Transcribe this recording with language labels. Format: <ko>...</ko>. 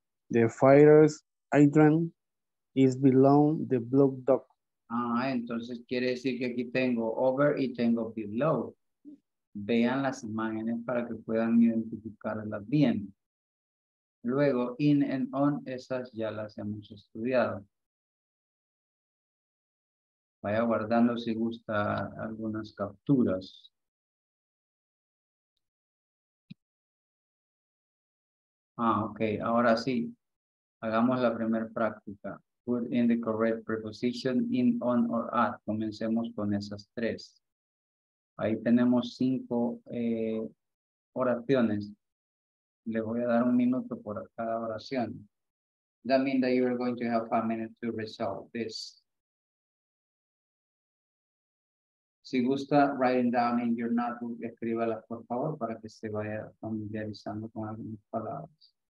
<en>The fire's hydrant is below the blue dog.</en> <es>Ah, entonces quiere decir que aquí tengo over y tengo below. Vean las imágenes para que puedan identificarlas bien. Luego, in and on, esas ya las hemos estudiado. Vaya guardando si gusta algunas capturas. Ah, okay. Ahora sí. Hagamos la primera práctica.</es> <en>Put in the correct preposition in, on, or at.</en> <es>Comencemos con esas tres. Ahí tenemos cinco oraciones. Les voy a dar un minuto por cada oración.</es> <en>That means that you are going to have 5 minutes to resolve this.</en> <es>Si gusta,</es> <en>writing down in your notebook,</en> <es>escríbala, por favor, para que se vaya familiarizando con algunas palabras.</es>